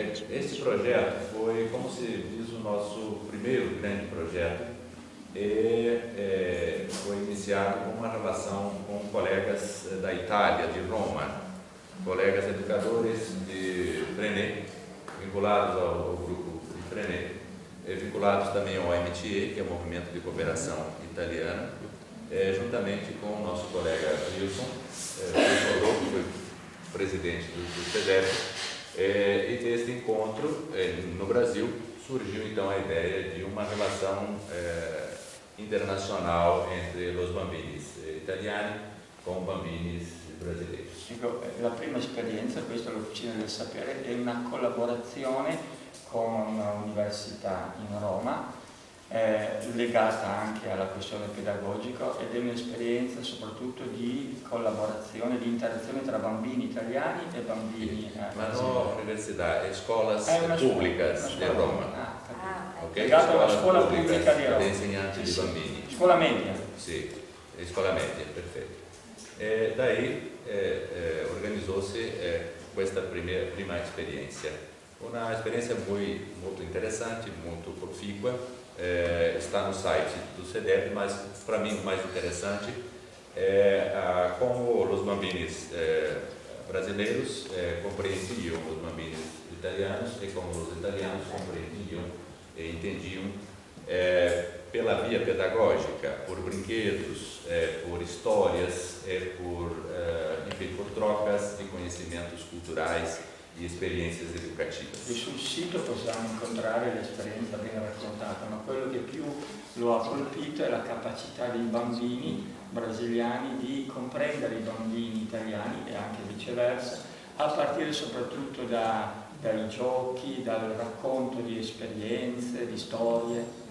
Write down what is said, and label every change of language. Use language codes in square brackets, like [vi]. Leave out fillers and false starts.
[pt] Esse projeto foi, como se diz, o nosso primeiro grande projeto e foi iniciado com uma relação com colegas da Itália, de Roma, colegas educadores de Frené, vinculados ao grupo de Frené, vinculados também ao MTE, que é o Movimento de Cooperação Italiana, juntamente com o nosso colega Wilson, que foi presidente do CEDEP. E desse encontro, no Brasil, surgiu então a ideia de uma relação internacional entre os [it] bambinis italiani [pt] com bambinis brasileiros. [it] La prima esperienza, questa è l'Officina del Sapere, è una collaborazione con un'università in Roma, legata anche alla questione pedagogica, ed è un'esperienza soprattutto di collaborazione, di interazione tra bambini italiani e bambini. Ma no, università, scuole pubbliche di Roma. Legata alla scuola pubblica di Roma. Insegnanti di bambini. Scuola media. Sì, scuola media, perfetto. E da lì organizzò-se questa prima esperienza. Una esperienza molto interessante, molto proficua. [pt] Está no site do CEDEP, mas para mim o mais interessante é como os bambinis brasileiros compreendiam os bambinis italianos e como os italianos compreendiam e entendiam pela via pedagógica, por brinquedos, por histórias, por trocas de conhecimentos culturais e [it] esperienze educative. E sul sito possiamo incontrare l'esperienza ben raccontata, ma quello che più lo ha colpito è la capacità dei bambini brasiliani di comprendere i bambini italiani e anche viceversa, a partire soprattutto dai giochi, dal racconto di esperienze, di storie.